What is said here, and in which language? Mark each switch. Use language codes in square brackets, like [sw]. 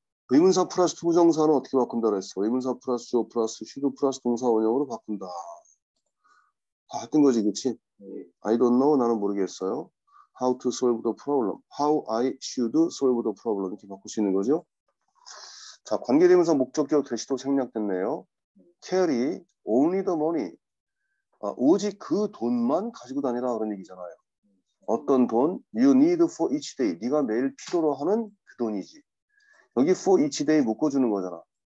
[ko] 의문사 플러스 부정사는 어떻게 바꾼다 그랬어? 의문사 플러스 주어 플러스 should 플러스 동사 원형으로 바꾼다. 다 했던 거지, 그치? 네. [en] I don't know, [ko] 나는 모르겠어요. [en] How to solve the problem. How I should solve the problem. [ko] 이렇게 바꿀 수 있는 거죠. 자, 관계대명사 목적격 대시도 생략됐네요. [en] carry, only the money. [ko] 아, 오직 그 돈만 가지고 다니라 그런 얘기잖아요. 어떤 돈? [en] you need for each day. [ko] 네가 매일 필요로 하는 그 돈이지. 여기 [en] for each day [ko] 묶어주는 거잖아.